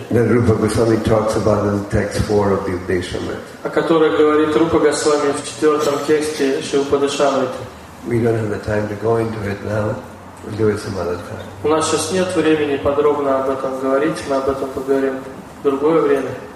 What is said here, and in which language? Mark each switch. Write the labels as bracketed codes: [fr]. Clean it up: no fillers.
[en] Then Rupa Goswami talks about in text 4 of the Upadeshamrita. [ru] О которой говорит Рупа Госвами в четвертом тексте Шивупадешамриты. [en] We don't have the time to go into it now. We'll do it some other time. [ru] У нас сейчас нет времени подробно об этом говорить. Мы об этом поговорим в другое время.